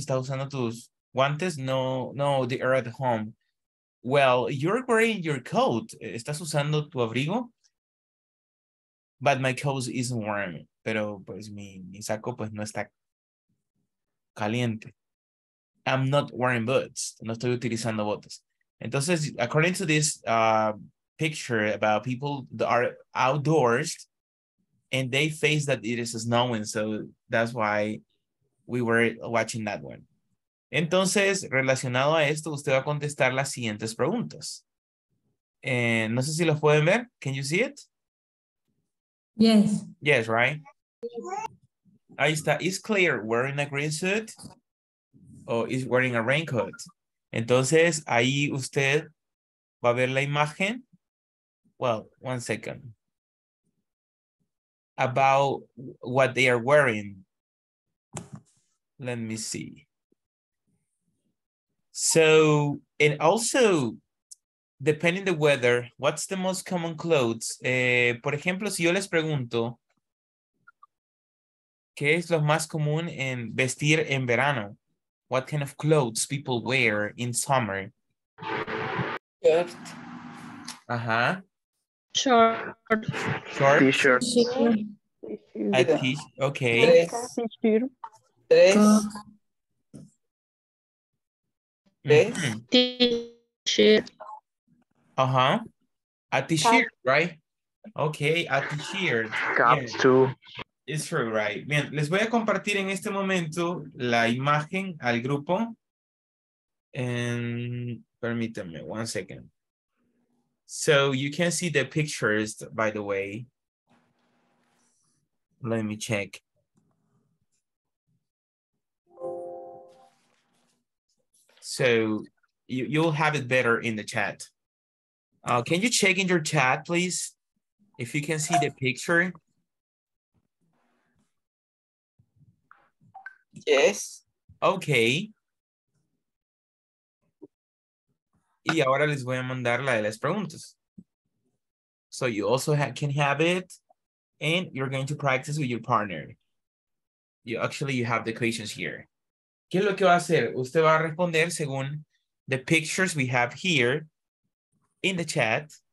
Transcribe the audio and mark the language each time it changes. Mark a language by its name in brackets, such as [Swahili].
[Spanish] ¿Está usando tus guantes? [English] No, they are at home. Well, you're wearing your coat. [Spanish] ¿Estás usando tu abrigo? [English] But my coat isn't warm. [Spanish] Pero pues mi saco pues no está caliente. [English] I'm not wearing boots. [Spanish] No estoy utilizando botas. [English] Entonces, according to this picture about people that are outdoors and they face that it is snowing, so that's why we were watching that one. [Spanish] Entonces, relacionado a esto, usted va a contestar las siguientes preguntas. No sé si lo pueden ver. [English] Can you see it? Yes. Yes, right? [Spanish] Ahí está. [English] Is Claire wearing a green suit? Or is wearing a raincoat? [Spanish] Entonces, ahí usted va a ver la imagen. [English] Well, one second. About what they are wearing. Let me see. So, and also, depending on the weather, what's the most common clothes? [Spanish] Por ejemplo, si yo les pregunto, ¿qué es lo más común en vestir en verano? [English] What kind of clothes people wear in summer? Shirt. Uh-huh. Short. Short. T-shirt. A t-shirt. Okay. T-shirt. [Spanish] Tres. Mm-hmm. [English] T-shirt. Uh-huh. A t-shirt, right? Okay, a t-shirt. Caps, too. It's true, right? [Spanish] Bien, les voy a compartir en este momento la imagen al grupo. [English] And permítanme, one second. So you can see the pictures, by the way. Let me check. So you'll have it better in the chat. Can you check in your chat, please? If you can see the picture. Yes. Okay. [Spanish] Y ahora les voy a mandar la de las preguntas. [English] So you also can have it and you're going to practice with your partner. You have the questions here. [Spanish] ¿Qué es lo que va a hacer? Usted va a responder según [English] the pictures we have here in the chat.